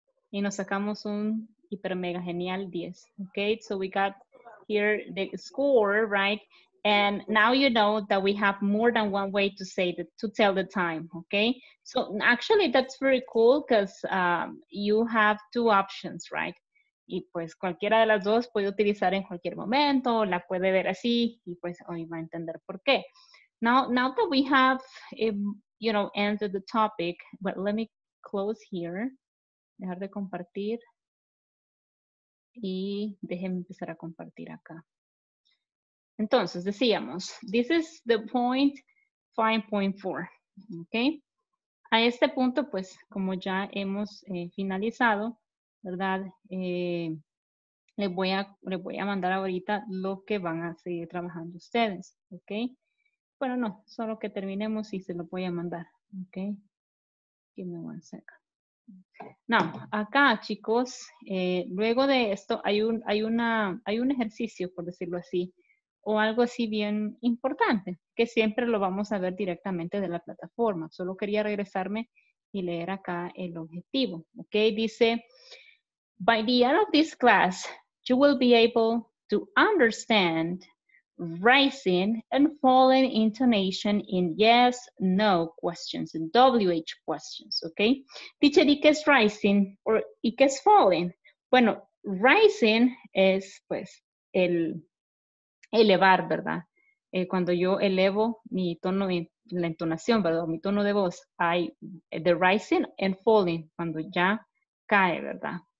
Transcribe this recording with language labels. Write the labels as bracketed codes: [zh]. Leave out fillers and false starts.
[es] Y nos sacamos un hiper mega genial 10. [en] Okay, so we got here the score, right? And now you know that we have more than one way to say that, to tell the time, okay? So actually that's very cool because you have two options, right? [es] Y pues cualquiera de las dos puede utilizar en cualquier momento, la puede ver así, y pues hoy va a entender por qué. [en] Now that we have, you know, answered the topic, but let me close here. [es] Dejar de compartir. Y déjenme empezar a compartir acá. Entonces, decíamos, [en] this is the point 5.4, okay? [es] A este punto, pues, como ya hemos finalizado, ¿verdad? Les voy a mandar ahorita lo que van a seguir trabajando ustedes, okay? Bueno, no, solo que terminemos y se lo voy a mandar, okay? [en] Give me one second. [es] No, acá, chicos, luego de esto, hay un ejercicio, por decirlo así, o algo así bien importante, que siempre lo vamos a ver directamente de la plataforma. Solo quería regresarme y leer acá el objetivo, okay? [en] Dice, by the end of this class, you will be able to understand rising and falling intonation in yes, no questions, in WH questions, okay? [es] Teacher, ¿y qué es rising or y qué es falling? Bueno, rising es, pues, el elevar, ¿verdad? Cuando yo elevo mi tono, la entonación, ¿verdad? Mi tono de voz, hay the rising and falling, cuando ya cae, ¿verdad?